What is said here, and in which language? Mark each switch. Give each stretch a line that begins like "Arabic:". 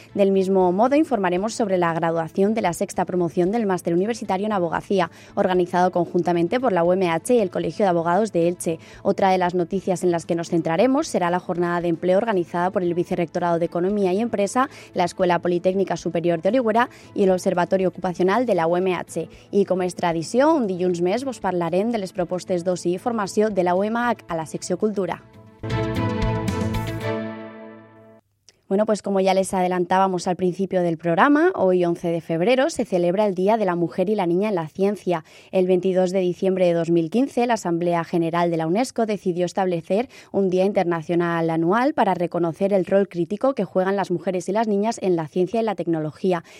Spanish: Del mismo modo, informaremos sobre la graduación de la sexta promoción del Máster Universitario en Abogacía, organizado conjuntamente por la UMH y el Colegio de Abogados de Elche. Otra de las noticias en las que nos centraremos será la jornada de empleo organizada por el Vicerrectorado de Economía y Empresa, la Escuela Politécnica Superior de Orihuela y el Observatorio Ocupacional de la UMH.
Catalan: I com és tradició, un dilluns més vos parlarem de les propostes d'oci i formació de la UMH a la secció Cultura.
Spanish: Bueno, pues como ya les adelantábamos al principio del programa, hoy 11 de febrero se celebra el Día de la Mujer y la Niña en la Ciencia. El 22 de diciembre de 2015, la Asamblea General de la UNESCO decidió establecer un Día Internacional Anual para reconocer el rol crítico que juegan las mujeres y las niñas en la ciencia y la tecnología.